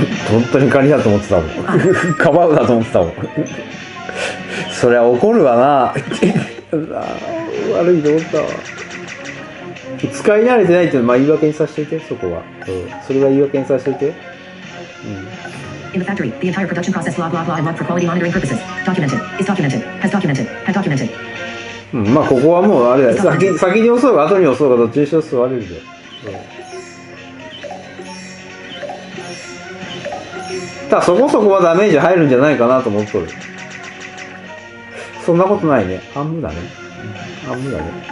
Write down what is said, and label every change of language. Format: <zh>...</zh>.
<ja>本当にカニだと思ってたもん。カバウだと思ってたもん。そりゃ怒るわな。悪いと思ったわ。使い慣れてないっていうのは言い訳にさせていて、そこは。うん、それは言い訳にさせていて。</ja> <en>In the factory, the entire production process, blah blah blah, and log for quality monitoring purposes. Documented. Is documented. Has documented. Has documented.</en> <ja>うん、まあここはもうあれだ、先に押そうか後に押そうかどっちにしろ座れるで、うん、ただそこそこはダメージ入るんじゃないかなと思っとる。そんなことないね、半分だね、半分だね。</ja>